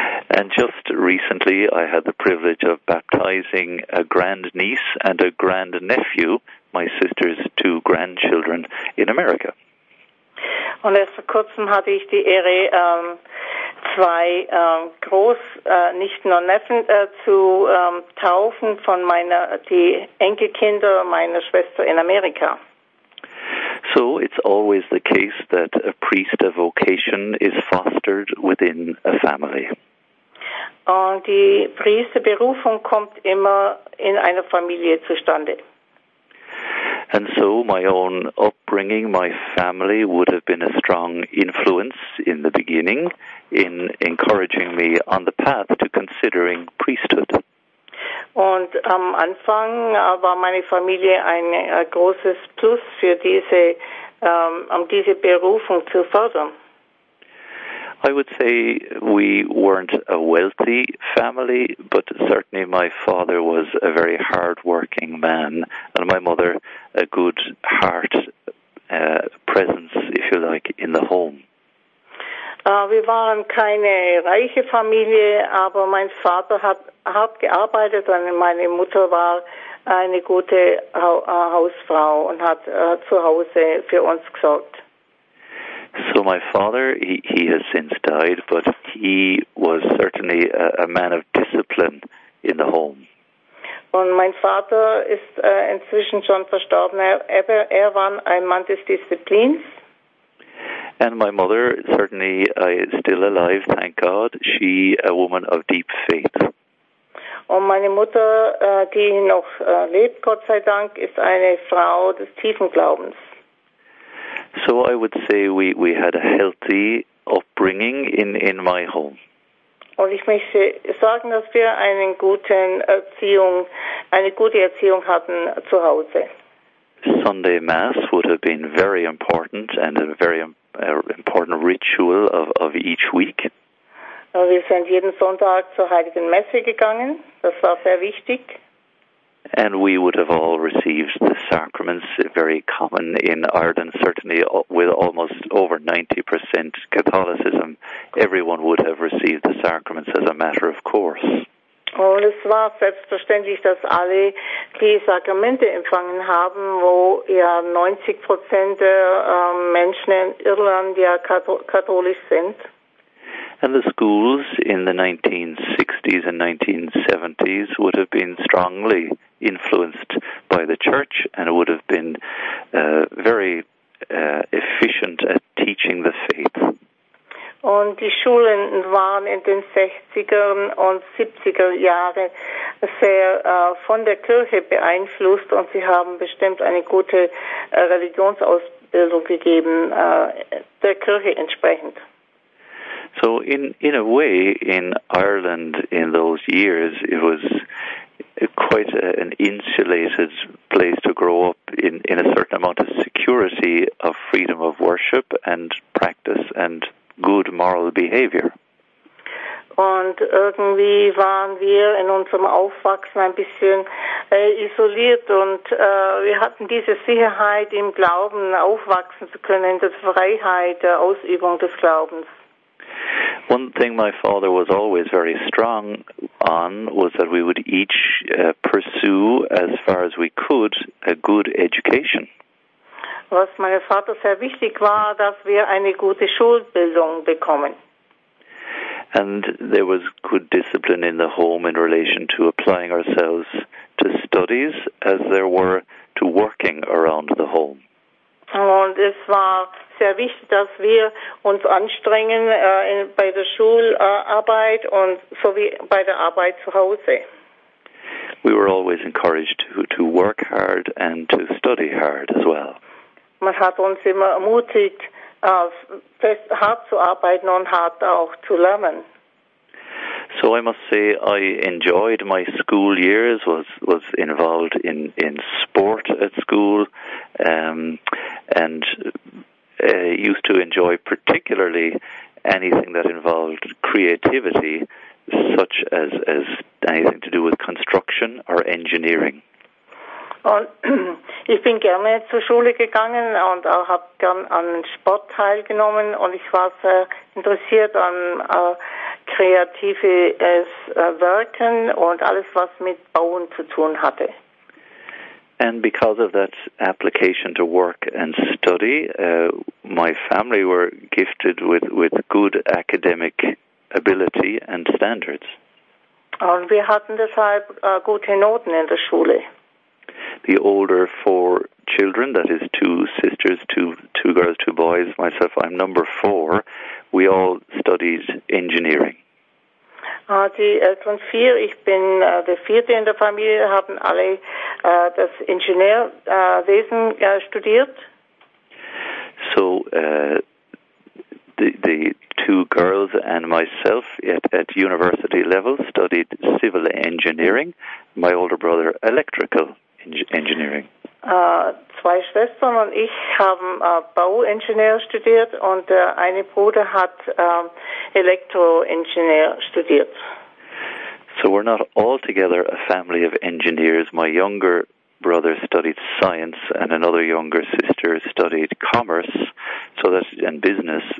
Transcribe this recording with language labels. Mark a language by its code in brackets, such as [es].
[en] And just recently I had the privilege of baptizing a grandniece and a grandnephew, my sister's two grandchildren, in America. [de] Und erst vor kurzem hatte ich die Ehre, zwei Großnichten und Neffen zu taufen von die Enkelkinder meiner Schwester in Amerika. [en] So it's always the case that a priest of vocation is fostered within a family. [de] Und die Priesterberufung kommt immer in einer Familie zustande. [en] And so my own upbringing, my family would have been a strong influence in the beginning in encouraging me on the path to considering priesthood. [de] Und am Anfang war meine Familie ein großes Plus für diese diese Berufung zu fördern. [en] I would say we weren't a wealthy family, but certainly my father was a very hard-working man, and my mother a good heart presence, if you like, in the home. [de] Wir waren keine reiche Familie, aber mein Vater hat hart gearbeitet und meine Mutter war eine gute Hausfrau und hat zu Hause für uns gesorgt. [en] So my father, he has since died, but he was certainly a man of discipline in the home. [de] Und mein Vater ist inzwischen schon verstorben. Er war ein Mann des Disziplins. [en] And my mother, certainly still alive, thank God, she a woman of deep faith. [de] Und meine Mutter, die noch lebt, Gott sei Dank, ist eine Frau des tiefen Glaubens. [en] So I would say we had a healthy upbringing in my home. [de] Und ich möchte sagen, dass wir eine gute Erziehung hatten zu Hause. [en] Sunday Mass would have been very important and a very important ritual of each week. [de] Wir sind jeden Sonntag zur Heiligen Messe gegangen. Das war sehr wichtig. [en] And we would have all received the sacraments, very common in Ireland, certainly with almost over 90% Catholicism. Everyone would have received the sacraments as a matter of course. [de] Und es war selbstverständlich, dass alle die Sakramente empfangen haben, wo ja 90% der Menschen in Irland ja katholisch sind. [en] And the schools in the 1960s and 1970s would have been strongly influenced by the church and would have been very efficient at teaching the faith. [de] Und die Schulen waren in den 60er und 70er Jahren sehr von der Kirche beeinflusst und sie haben bestimmt eine gute Religionsausbildung gegeben, der Kirche entsprechend. [en] So in a way, in Ireland in those years, it was quite an insulated place to grow up in a certain amount of security, of freedom of worship and practice and good moral behavior. [de] Und irgendwie waren wir in unserem Aufwachsen ein bisschen isoliert und wir hatten diese Sicherheit im Glauben aufwachsen zu können, in der Freiheit der Ausübung des Glaubens. [en] One thing my father was always very strong on was that we would each pursue as far as we could a good education. [de] Was meinem Vater sehr wichtig war, dass wir eine gute Schulbildung bekommen. [en] And there was good discipline in the home in relation to applying ourselves to studies as there were to working around the home. [de] Und es war sehr wichtig, dass wir uns anstrengen bei der Schularbeit und so wie bei der Arbeit zu Hause. [en] We were always encouraged to work hard and to study hard as well. [de] Man hat uns immer ermutigt, hart zu arbeiten und hart auch zu lernen. [en] So I must say, I enjoyed my school years, was involved in sport at school, and used to enjoy particularly anything that involved creativity, such as anything to do with construction or engineering. [de] Und ich bin gerne zur Schule gegangen und auch habe gern an Sport teilgenommen und ich war sehr interessiert an kreatives Werken und alles, was mit Bauen zu tun hatte. [en] And because of that application to work and study, my family were gifted with good academic ability and standards. [de] Und wir hatten deshalb gute Noten in der Schule. [en] The older four children, that is two sisters, two girls, two boys, myself, I'm number four, we all studied engineering. [de] Die Eltern vier, ich bin der vierte in der Familie, haben alle das Ingenieurwesen studiert. [en] So the two girls and myself at university level studied civil engineering, my older brother electrical engineering. [de] Zwei Schwestern und ich haben Bauingenieur studiert und der eine Bruder hat Elektroingenieur studiert. [en] So we're not altogether a family of engineers. My younger brother studied science and another younger sister studied commerce, so that and business.